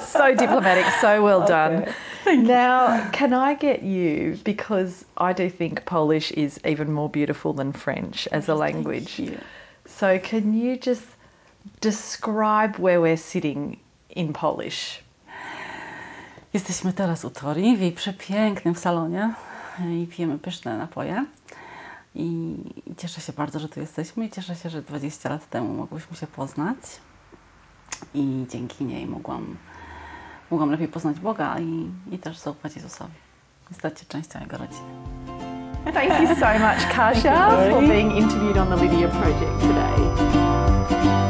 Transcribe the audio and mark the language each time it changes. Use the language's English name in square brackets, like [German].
[English] So diplomatic, so well done. Okay. Now, can I get you, because I do think Polish is even more beautiful than French as a language. So can you just describe where we're sitting in Polish? [Polish] Jesteśmy teraz u Tori w jej przepięknym salonie i pijemy pyszne napoje. I cieszę się bardzo, że tu jesteśmy i cieszę się, że 20 lat temu mogłyśmy się poznać. I dzięki niej mogłam lepiej poznać Boga i też zaufać Jezusowi. I stać się częścią Jego rodziny. [English] Thank you so much, Kasia, for being interviewed on the Lydia Project today.